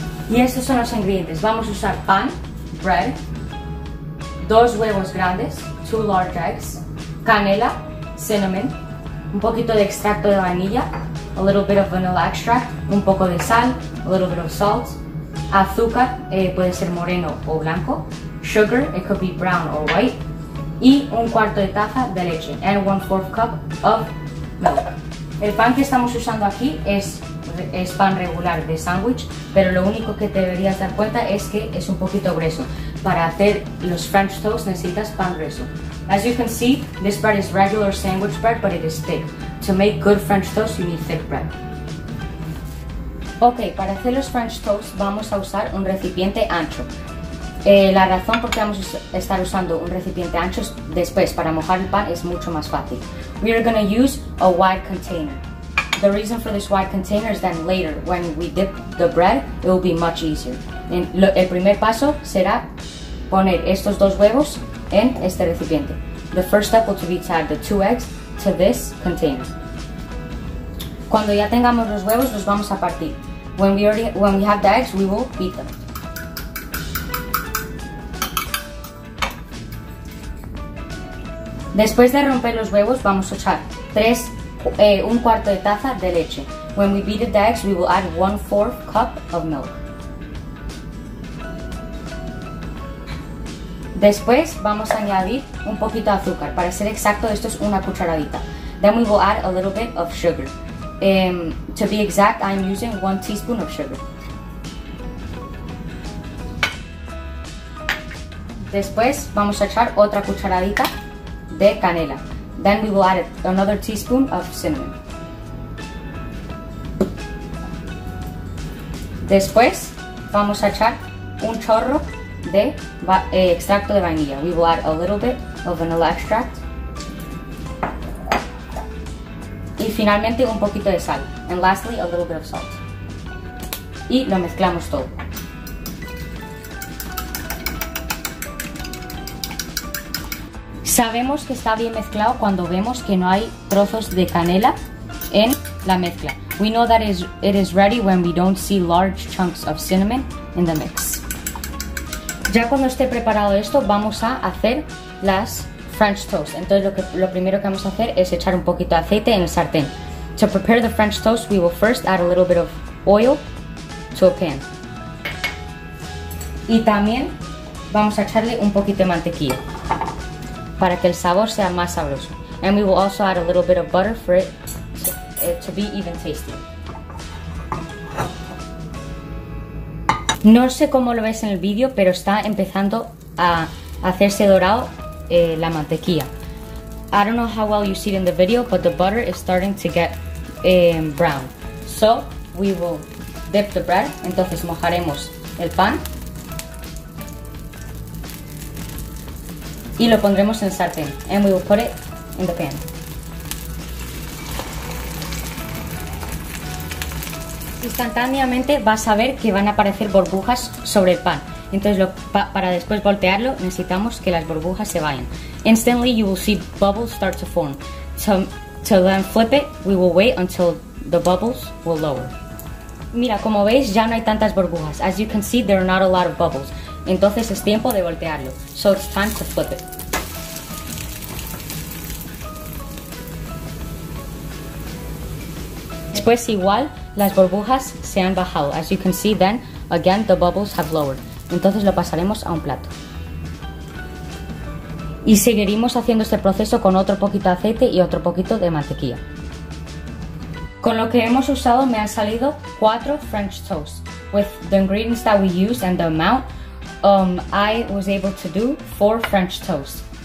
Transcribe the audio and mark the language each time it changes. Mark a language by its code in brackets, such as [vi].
[es] Y estos son los ingredientes. Vamos a usar pan, bread, dos huevos grandes, [en] two large eggs, [es] canela, cinnamon, un poquito de extracto de vainilla, [en] a little bit of vanilla extract, [es] un poco de sal, [en] a little bit of salt, [es] azúcar, puede ser moreno o blanco, [en] sugar, it could be brown or white, [es] y un cuarto de taza de leche, [en] and 1/4 cup of milk. [es] El pan que estamos usando aquí es pan regular de sándwich, pero lo único que deberías dar cuenta es que es un poquito grueso. Para hacer los French toast necesitas pan grueso. [en] As you can see, this bread is regular sandwich bread, but it is thick. To make good French toast, you need thick bread. [es] Ok, para hacer los French toast vamos a usar un recipiente ancho. La razón por qué vamos a estar usando un recipiente ancho después para mojar el pan es mucho más fácil. [en] We are going to use a wide container. The reason for this wide container is that later, when we dip the bread, it will be much easier. [es] El primer paso será poner estos dos huevos en este recipiente. [en] The first step will be to add the two eggs to this container. [es] Cuando ya tengamos los huevos, los vamos a partir. [en] When we have the eggs, we will beat them. [es] Después de romper los huevos, vamos a echar un cuarto de taza de leche. [en] When we beat the eggs, we will add 1/4 cup of milk. [es] Después vamos a añadir un poquito de azúcar. Para ser exacto, esto es una cucharadita. [en] Then we will add a little bit of sugar. To be exact, I'm using 1 teaspoon of sugar. [es] Después vamos a echar otra cucharadita de canela. [en] Then we will add another teaspoon of cinnamon. [es] Después vamos a echar un chorro de extracto de vainilla. [en] We will add a little bit of vanilla extract. [es] Y finalmente un poquito de sal. [en] And lastly, a little bit of salt. [es] Y lo mezclamos todo. Sabemos que está bien mezclado cuando vemos que no hay trozos de canela en la mezcla. [en] We know that it is ready when we don't see large chunks of cinnamon in the mix. [es] Ya cuando esté preparado esto, vamos a hacer las French toast. Entonces lo primero que vamos a hacer es echar un poquito de aceite en el sartén. [en] To prepare the French toast, we will first add a little bit of oil to a pan. [es] Y también vamos a echarle un poquito de mantequilla para que el sabor sea más sabroso. [en] And we will also add a little bit of butter for it to be even tastier. [es] No sé cómo lo ves en el vídeo, pero está empezando a hacerse dorado la mantequilla. [en] I don't know how well you see it in the video, but the butter is starting to get brown. So we will dip the bread. [es] Entonces mojaremos el pan y lo pondremos en el sartén. [en] And we will put it in the pan. [es] Instantáneamente vas a ver que van a aparecer burbujas sobre el pan. Entonces para después voltearlo necesitamos que las burbujas se vayan. [en] Instantly you will see bubbles start to form. To then flip it, we will wait until the bubbles will lower. [es] Mira, como veis ya no hay tantas burbujas. [en] As you can see, there are not a lot of bubbles. [es] Entonces es tiempo de voltearlo. [en] So it's time to flip it. [es] Después igual las burbujas se han bajado. [en] As you can see then, again the bubbles have lowered. [es] Entonces lo pasaremos a un plato. Y seguiremos haciendo este proceso con otro poquito de aceite y otro poquito de mantequilla. Con lo que hemos usado me han salido 4 French toasts. [en] With the ingredients that we used and the amount, I was able to do 4 French toast.